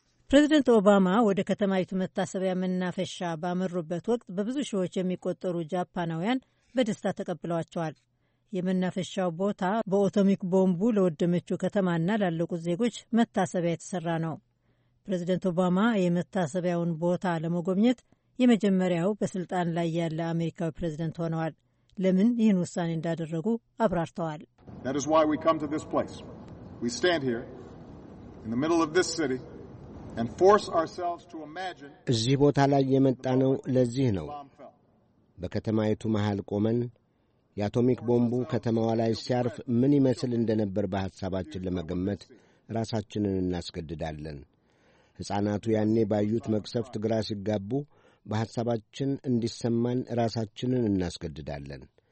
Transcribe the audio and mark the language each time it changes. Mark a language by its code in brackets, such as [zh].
[am] ፕሬዚደንት ኦባማ ወደ ከተማይቱ መታሰቢያ መናፈሻ ባመሩበት ወቅት በብዙ ሺዎች የሚቆጠሩ ጃፓናውያን በደስታ ተቀብለዋቸዋል። የመናፈሻው ቦታ በአቶሚክ ቦምቡ ለወደመችው ከተማና ላለቁት ዜጎች መታሰቢያ የተሰራ ነው። ፕሬዚደንት ኦባማ የመታሰቢያውን ቦታ ለመጎብኘት የመጀመሪያው በስልጣን ላይ ያለ አሜሪካዊ ፕሬዚደንት ሆነዋል። ለምን ይህን ውሳኔ እንዳደረጉ አብራርተዋል። [en] That is why we come to this place. We stand here in the middle of this city and force ourselves to imagine. [am] እዚህ ቦታ ላይ የመጣነው ለዚህ ነው። በከተማይቱ መሃል ቆመን የአቶሚክ ቦምቡ ከተማዋ ላይ ሲያርፍ ምን ይመስል እንደነበር በሐሳባችን ለመገመት ራሳችንን እናስገድዳለን። ሕፃናቱ ያኔ ባዩት መቅሰፍት ግራ ሲጋቡ በሐሳባችን እንዲሰማን ራሳችንን እናስገድዳለን።